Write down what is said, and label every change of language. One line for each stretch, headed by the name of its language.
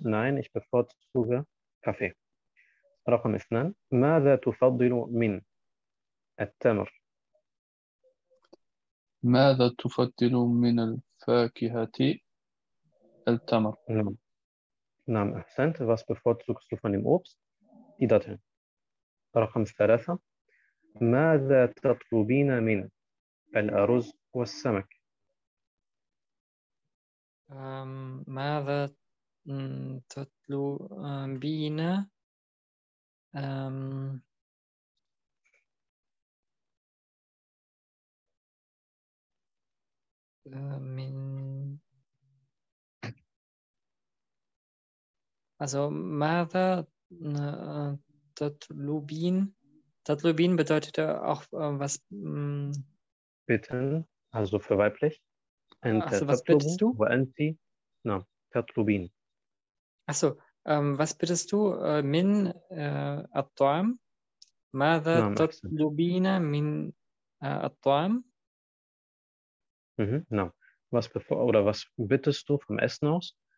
German: Nein, ich bevorzuge Kaffee.
Arabic: رقم اثنان ماذا تفضل من التمر؟ ماذا تفضل من الفاكهة؟ التمر. نعم نعم أحسنت.
German: Was bevorzugst du von dem Obst? Die Datteln.
Arabic: رقم ثلاثة ماذا تطلبين من الأرز والسمك؟ ماذا تطلبين من also ماذا تطلبين
German: bedeutet auch was bitten also für weiblich أنت also, was bittest du
Arabic: وأنت نعم تطلبين
German: also was bittest du
Arabic: من الطعام ماذا تطلبين من الطعام.
German: Nein. Was bevor oder was bittest du vom Essen aus?